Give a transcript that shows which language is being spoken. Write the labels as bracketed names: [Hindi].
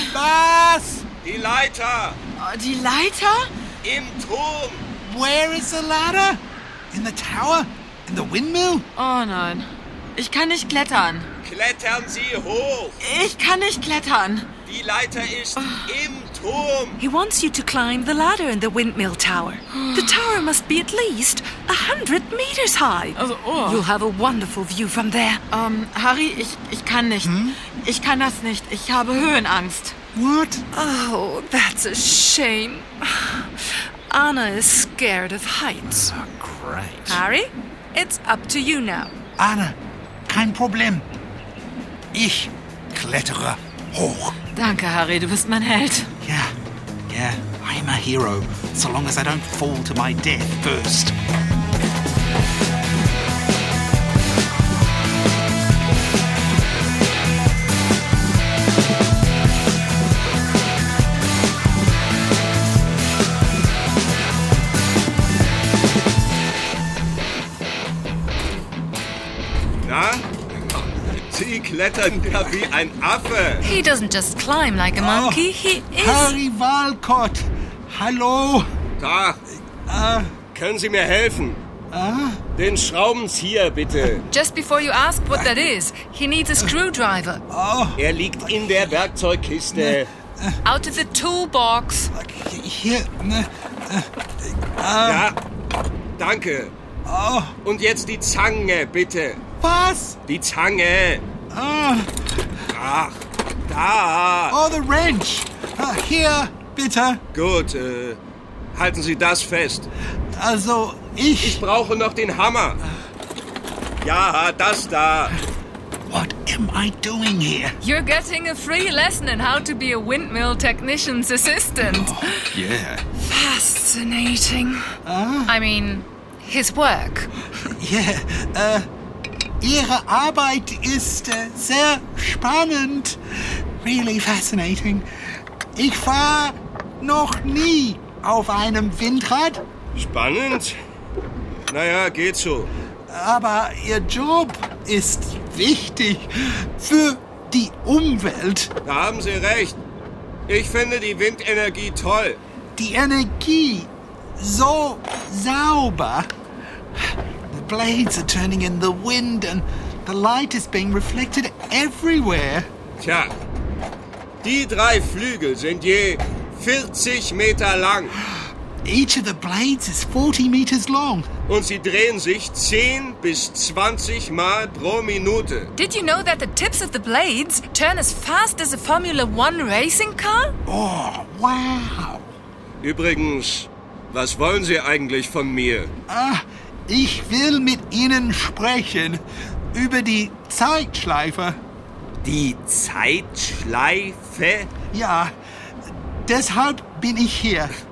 [German] Was? Die Leiter. Die Leiter? Im Turm. [English] Where is the ladder? In the tower? In the windmill? [German] Oh nein. Ich kann nicht klettern. Klettern Sie hoch. Ich kann nicht klettern. Die Leiter ist im Turm. [English] He wants you to climb the ladder in the windmill tower. The tower must be at least 100 meters high. Also, oh. You'll have a wonderful view from there. [German] Harry, ich kann nicht. Ich kann das nicht. Ich habe Höhenangst. [English] What? Oh, that's a shame. Anna is scared of heights. Oh, great. Harry, it's up to you now. [German] Anna, kein Problem. Ich klettere hoch. Danke, Harry, du bist mein Held. [English] Yeah, I'm a hero, so long as I don't fall to my death first. [German] klettern kann wie ein Affe. [English] He doesn't just climb like a monkey, he is... [German] Harry Walcott, hallo. Da, können Sie mir helfen? Den Schraubenzieher, bitte. [English] Just before you ask what that is, he needs a screwdriver. [German] Er liegt in der Werkzeugkiste. [English] Out of the toolbox. [German] Hier. Ja, danke. Und jetzt die Zange, bitte. Was? Die Zange. Ach, da. [English] Oh, the wrench. [German] Hier, bitte. Gut, halten Sie das fest. Also, ich brauche noch den Hammer. Ja, das da. [English] What am I doing here? You're getting a free lesson in how to be a windmill technician's assistant. Oh, yeah. Fascinating. I mean, his work. Yeah. [German] Ihre Arbeit ist sehr spannend. [English] Really fascinating. [German] Ich war noch nie auf einem Windrad. Spannend? Naja, geht so. Aber Ihr Job ist wichtig für die Umwelt. Da haben Sie recht. Ich finde die Windenergie toll. Die Energie so sauber. [English] The blades are turning in the wind and the light is being reflected everywhere. [German] Tja, die drei Flügel sind je 40 Meter lang. [English] Each of the blades is 40 meters long. [German] Und sie drehen sich 10 bis 20 Mal pro Minute. [English] Did you know that the tips of the blades turn as fast as a Formula One racing car? Oh, wow. [German] Übrigens, was wollen Sie eigentlich von mir? Ich will mit Ihnen sprechen über die Zeitschleife. Die Zeitschleife? Ja, deshalb bin ich hier.